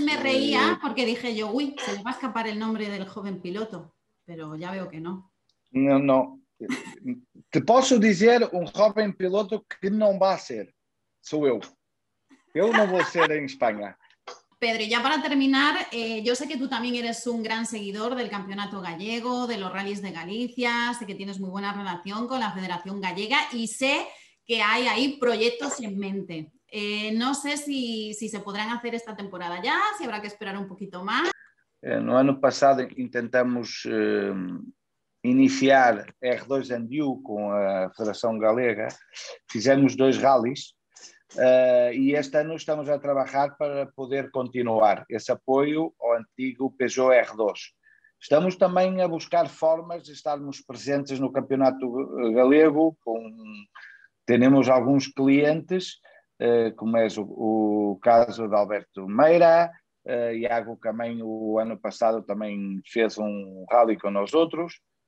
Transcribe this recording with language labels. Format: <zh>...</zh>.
<es>Me reía porque dije yo, uy, se le va a escapar el nombre del joven piloto, pero ya veo que no. No, no.</es> <pt>Te posso dizer um joven piloto que não vai ser, sou eu. Eu não vou ser em Espanha.</pt> <es>Pedro, ya para terminar, yo sé que tú también eres un gran seguidor del campeonato gallego, de los rallies de Galicia, sé que tienes muy buena relación con la Federación Gallega y sé que hay ahí proyectos en mente. No sé si se podrán hacer esta temporada ya, si habrá que esperar un poquito más. No año pasado intentamos iniciar R2 and You con la Federación Gallega, hicimos dos rallies.</es> <pt>E este ano estamos a trabalhar para poder continuar esse apoio ao antigo Peugeot R2. Estamos também a buscar formas de estarmos presentes no campeonato galego. Temos alguns clientes, como é o caso de Alberto Meira, Iago também o ano passado também fez um rally com nós outros.</pt>